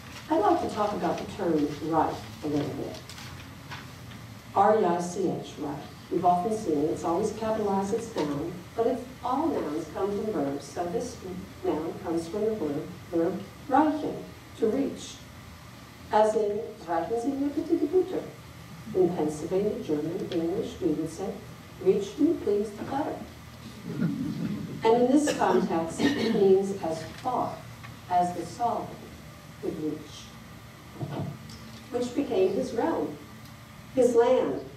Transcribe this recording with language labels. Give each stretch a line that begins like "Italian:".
English: I'd like to talk about the term Reich a little bit. R-E-I-C-H, Reich. You've often seen it. It's always capitalized, it's noun. But if all nouns come from verbs, so this noun comes from the verb reichen, to reach. As in,
German: reichen Sie mir bitte die Butter.
English: In Pennsylvania, German, English, we would say, reach me, please, the butter. And in this context, it means as far as the sovereign could reach, which became his realm, his land.